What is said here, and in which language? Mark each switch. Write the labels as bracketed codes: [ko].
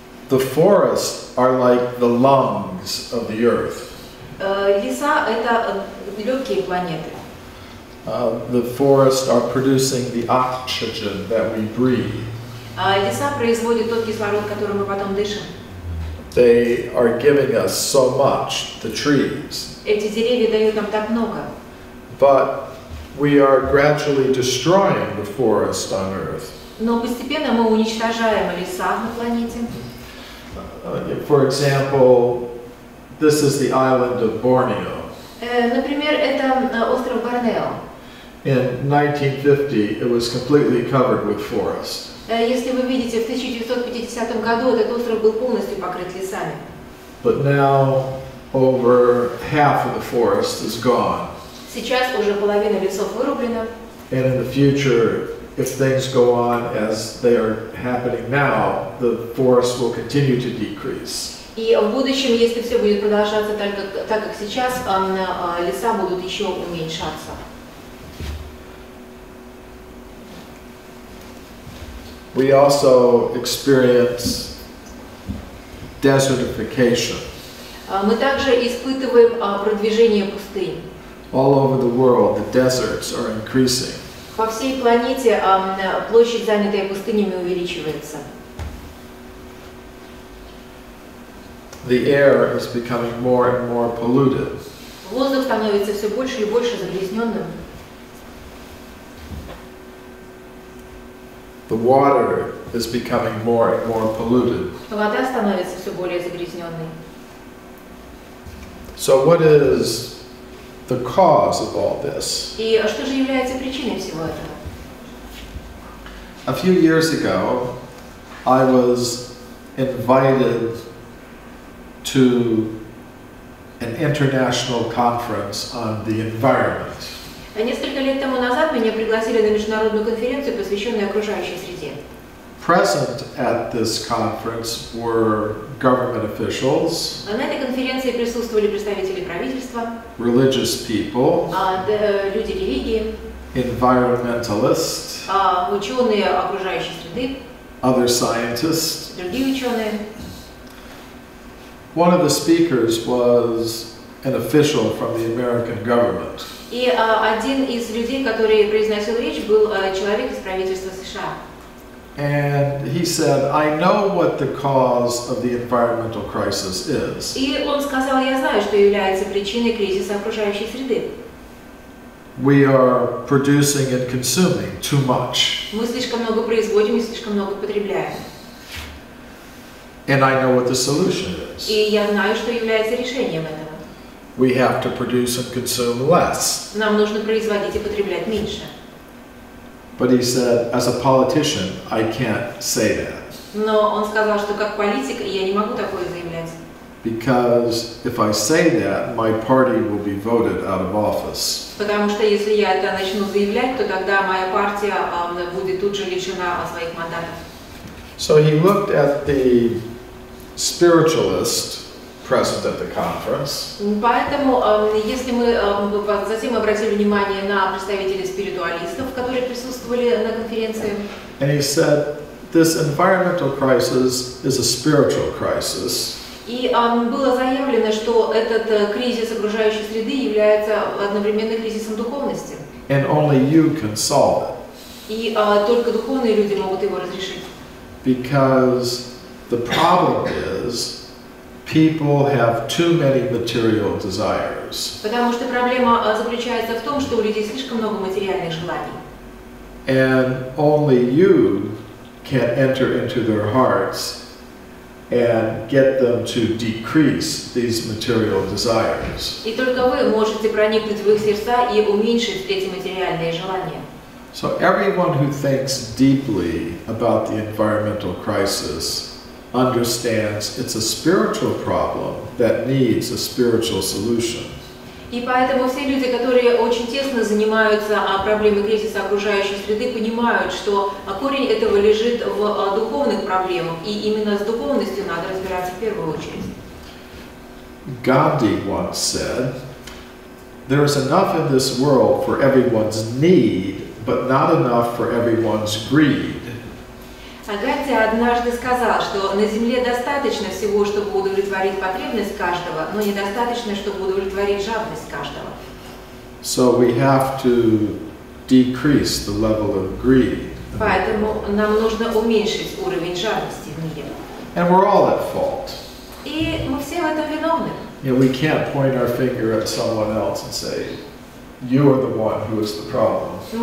[en] The forests are like the lungs of the earth. [ru] Леса это легкие планеты. [en] The forests are producing the oxygen that we breathe. [ru] Леса производят тот кислород, который мы потом дышим. [en] They are giving us so much, the trees. [ru] Эти деревья дают нам так много. [en] But we are gradually destroying the forest on Earth. [ru] Но постепенно мы уничтожаем леса на планете. [en] For example, this is the island of Borneo. [ru] Например, это остров Борнео. [en] In 1950, it was completely covered with forest. [ru] Если вы видите, в 1950 году этот остров был полностью покрыт лесами. [en] But now over half of the forest is gone. [ru] Сейчас уже половина лесов вырублена. [en] And in the future, if things go on as they are happening now, the forest will continue to decrease. [ru] И в будущем, если все будет продолжаться так, как сейчас, леса будут еще уменьшаться. [en] We also experience desertification. [ru] Мы также испытываем продвижение пустынь. [en] All over the world, the deserts are increasing. [ru] По всей планете площадь, занятая пустынями, увеличивается. [en] The air is becoming more and more polluted. [ru] Воздух становится все больше и больше загрязненным. [en] The water is becoming more and more polluted. [ru] Вода становится все более загрязненной. [en] So what is the cause of all this? [ru] И что же является причиной всего этого? [en] A few years ago, I was invited to an international conference on the environment. [ru] Несколько лет тому назад меня пригласили на международную конференцию, посвященную окружающей среде. [en] Present at this conference were government officials. [ru] На этой конференции присутствовали представители правительства. [en] Religious people. [ru] Люди религии. [en] Environmentalists. [ru] Ученые окружающей среды. [en] Other scientists. [ru] Другие ученые. [en] One of the speakers was an official from the American government. [ru] И один из людей, который произносил речь, был человек из правительства США. [en] And he said, "I know what the cause of the environmental crisis is." [ru] И он сказал, я знаю, что является причиной кризиса окружающей среды. [en] We are producing and consuming too much. [ru] Мы слишком много производим и слишком много потребляем. [en] And I know what the solution is. [ru] И я знаю, что является решением этого. [en] We have to produce and consume less. [ru] Нам нужно производить и потреблять меньше. [en] But he said, as a politician, I can't say that. [ru] Но он сказал, что как политик я не могу такое заявлять. [en] Because if I say that, my party will be voted out of office. [ru] Потому что если я это начну заявлять, то тогда моя партия будет тут же лишена своих мандатов. [en] So he looked at the spiritualist present at the conference. [ru] Поэтому, если мы затем обратили внимание на представителей спиритуалистов, которые присутствовали на конференции. [en] And he said, this environmental crisis is a spiritual crisis. [ru] И было заявлено, что этот кризис окружающей среды является одновременно кризисом духовности. [en] And only you can solve it. [ru] И только духовные люди могут его разрешить. [en] Because the problem is, people have too many material desires. [ru] Потому что проблема заключается в том, что у людей слишком много материальных желаний. [en] And only you can enter into their hearts and get them to decrease these material desires. [ru] И только вы можете проникнуть в их сердца и уменьшить эти материальные желания. [en] So everyone who thinks deeply about the environmental crisis understands it's a spiritual problem that needs a spiritual solution. [ru] И поэтому все люди, которые очень тесно занимаются проблемой кризиса окружающей среды, понимают, что корень этого лежит в духовных проблемах, и именно с духовностью надо разбираться в первую очередь. [en] Gandhi once said, There is enough in this world for everyone's need, but not enough for everyone's greed. [ru] Агатия однажды сказал, что на земле достаточно всего, чтобы удовлетворить потребность каждого, но недостаточно, чтобы удовлетворить жадность каждого. [en] So we have to decrease the level of greed. [ru] Поэтому нам нужно уменьшить уровень жадности в мире. [en] And we're all at fault. [ru] И мы все в этом виновны. [en] You know, we can't point our finger at someone else and say, you are the one who is the problem.